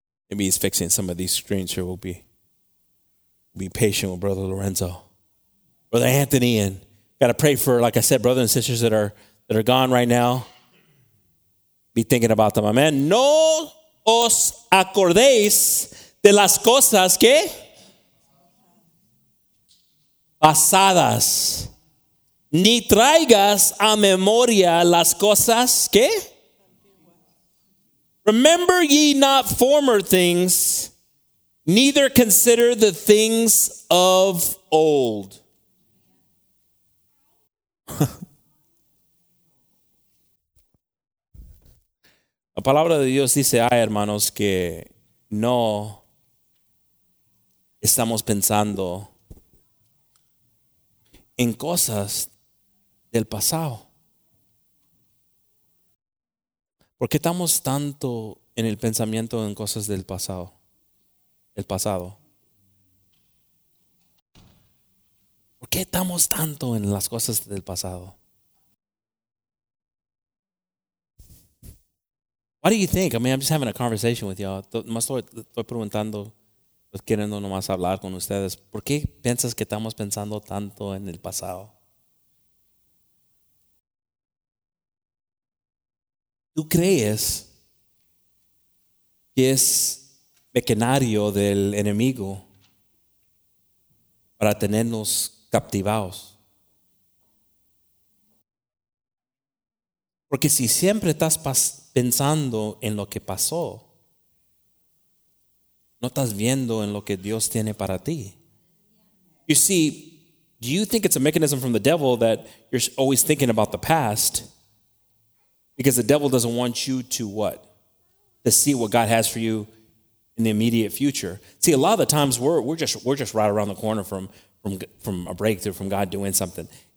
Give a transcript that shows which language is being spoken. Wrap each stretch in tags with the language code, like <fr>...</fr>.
<en>Maybe he's fixing some of these screens here. We'll be patient with Brother Lorenzo. Brother Anthony, and got to pray for, like I said, brothers and sisters that are gone right now, be thinking about them, amen.</en> <es>No os acordéis de las cosas que pasadas, ni traigas a memoria las cosas que.</es> <en>Remember ye not former things, neither consider the things of old.</en> <es>La palabra de Dios dice, ay, hermanos, que no estamos pensando en cosas del pasado. ¿Por qué estamos tanto en el pensamiento en cosas del pasado? El pasado. ¿Por qué estamos tanto en las cosas del pasado?</es> <en>What do you think? I mean, I'm just having a conversation with y'all.</en> <es>Más estoy preguntando, queriendo nomás hablar con ustedes. ¿Por qué piensas que estamos pensando tanto en el pasado? ¿Tú crees que es mecanario del enemigo para tenernos captivados? Porque si siempre estás pensando en lo que pasó, no estás viendo en lo que Dios tiene para ti.</es> <en>You see, do you think it's a mechanism from the devil that you're always thinking about the past? Because the devil doesn't want you to what? To see what God has for you in the immediate future. See, a lot of the times we're just right around the corner from a breakthrough, from God doing something.</en>